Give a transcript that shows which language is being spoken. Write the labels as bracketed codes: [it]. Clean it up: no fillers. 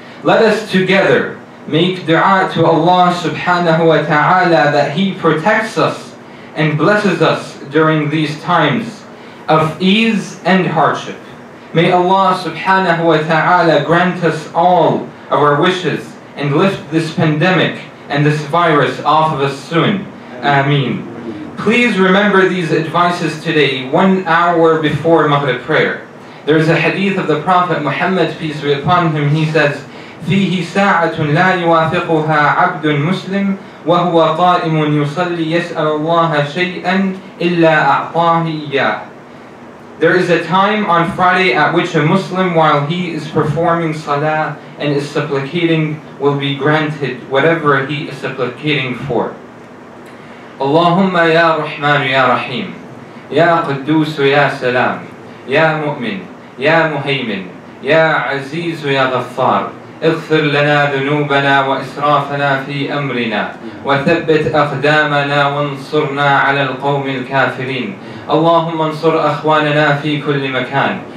[en] Let us together make dua to Allah subhanahu wa ta'ala that he protects us and blesses us during these times of ease and hardship. May Allah subhanahu wa ta'ala grant us all of our wishes and lift this pandemic and this virus off of us soon. Ameen. Please remember these advices today, 1 hour before Maghrib prayer. There is a hadith of the Prophet Muhammad, peace be upon him, he says, [ar] فِيهِ سَاعَةٌ لَا يُوَافِقُهَا عَبْدٌ مُسْلِمٌ وَهُوَ قَائِمٌ يُصَلِّي يَسْأَلُ اللَّهَ شَيْئًا إِلَّا أَعْطَاهِ إِيَّاهُ. [en] There is a time on Friday at which a Muslim, while he is performing salah and is supplicating, will be granted whatever he is supplicating for. [ar] اللهم يا رحمن يا رحيم يا قدوس يا سلام يا مؤمن يا مهيمن يا عزيز يا غفار اغفر لنا ذنوبنا وإسرافنا في أمرنا وثبت أقدامنا وانصرنا على القوم الكافرين اللهم انصر أخواننا في كل مكان